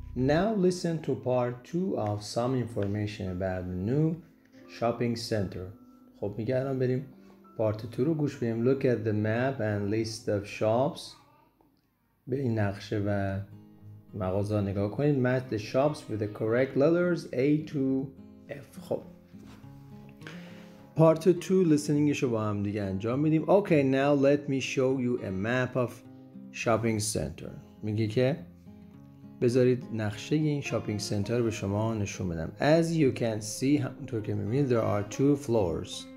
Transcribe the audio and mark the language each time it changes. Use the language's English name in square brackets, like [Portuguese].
[English] Now listen to part 2 of some information about the new shopping center. [Persian] خب میگه الان بریم part 2 رو گوش بدیم. [English] Look at the map and list of shops. [Persian] به این نقشه و مغازه نگاه کنید. [English] Match the shops with the correct letters A to F. [Persian] خب part 2 listeningش رو با هم دیگه انجام میدیم. [English] Okay, now let me show you a map of shopping center. [Persian] میگه که بذارید نقشه این شاپینگ سنتر رو به شما نشون بدم. [English] As you can see, [Persian] همونطور که میبینید [English] there are two floors.